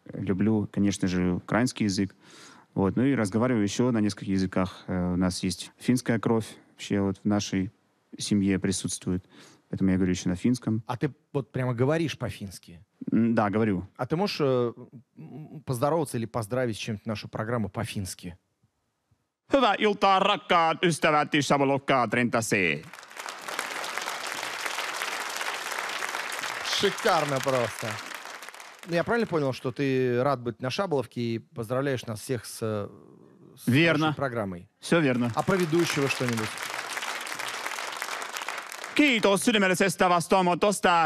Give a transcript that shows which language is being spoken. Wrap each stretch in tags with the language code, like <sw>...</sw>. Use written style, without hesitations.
<ru>Люблю, конечно же, украинский язык. Вот. Ну и разговариваю еще на нескольких языках. У нас есть финская кровь, вообще вот в нашей семье присутствует. Поэтому я говорю еще на финском. А ты вот прямо говоришь по-фински? Да, говорю. А ты можешь поздороваться или поздравить с чем-то нашу программу по-фински?</ru> <fi>Hyvää iltaa, rakkaat ystävät, ystävälokkaa, trentasi.</fi> <ru>Шикарно просто. Ну, я правильно понял, что ты рад быть на Шаболовке и поздравляешь нас всех с верно. Нашей программой. Все верно. А про ведущего что-нибудь?</ru> <fi>Kiitos sydämellisestä vastaanotosta.</fi>